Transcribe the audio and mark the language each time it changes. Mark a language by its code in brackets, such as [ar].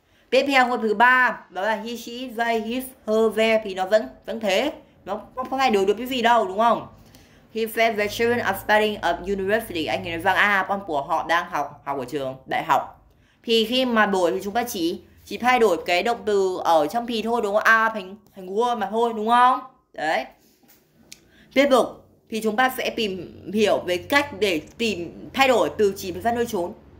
[vi] Tiếp theo ngôi thứ ba đó là he, she, they, his, her, their thì nó vẫn vẫn thế, nó không thay đổi được cái gì đâu đúng không? [en] He said the children are studying at university. [vi] Anh ấy nói rằng con của họ đang học học ở trường đại học. Thì khi mà đổi thì chúng ta chỉ thay đổi cái động từ ở trong thì thôi đúng không? Thành thành were mà thôi đúng không? Đấy. Tiếp tục thì chúng ta sẽ tìm hiểu về cách để tìm thay đổi từ chỉ thời gian nơi chốn.